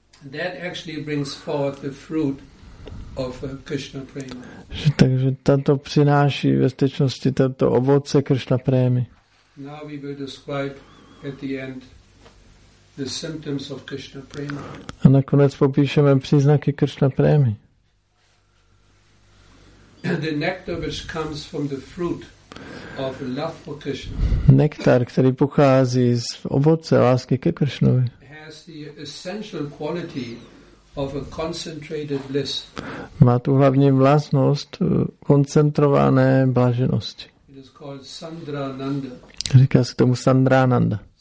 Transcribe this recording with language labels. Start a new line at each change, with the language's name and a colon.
English: That actually brings forth the fruit of Krishna Prema.
Czech: Takže tato přináší ve skutečnosti tato ovoce Krishna Prémy.
English: Now we will describe at the end the symptoms of Krishna Prema.
Czech: A nakonec popíšeme příznaky Krishna Prémy.
English: The nectar which comes from the fruit of love for Krishna.
Czech: Nektar, který pochází z ovoce lásky ke Krishnovi,
English: has the essential quality of a concentrated bliss.
Czech: Má tu hlavní vlastnost koncentrované blaženosti.
English: It is called Sandrananda.
Czech: Říká se tomu Sandrananda.